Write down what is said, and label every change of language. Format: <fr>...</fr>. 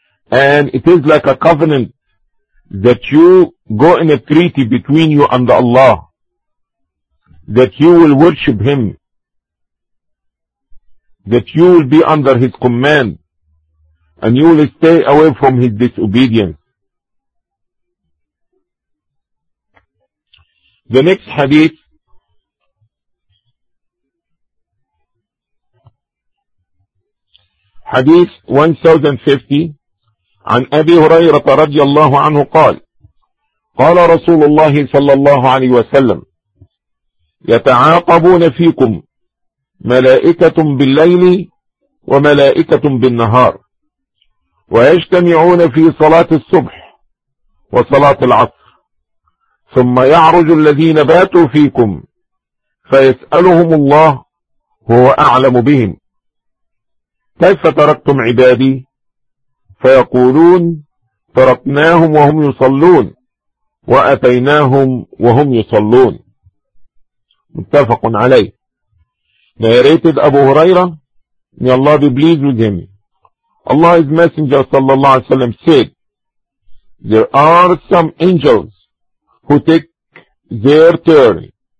<en>And it is like a covenant that you go in a treaty between you and Allah, that you will worship Him, that you will be under His command, and you will stay away from His disobedience. The next hadith, hadith 1050,</en> <ar>عن أبي هريرة رضي الله عنه قال قال رسول الله صلى الله عليه وسلم يتعاقبون فيكم ملائكة بالليل وملائكة بالنهار ويجتمعون في صلاة الصبح وصلاة العصر ثم يعرج الذين باتوا فيكم فيسألهم الله هو أعلم بهم كيف تركتم عبادي فيقولون تركناهم وهم يصلون وأتيناهم وهم يصلون. متفق عليه.</ar> <en>Narrated Abu Huraira, may Allah be pleased with him. Allah's Messenger sallallahu alaihi wasallam said, there are some angels who take their turn.</en>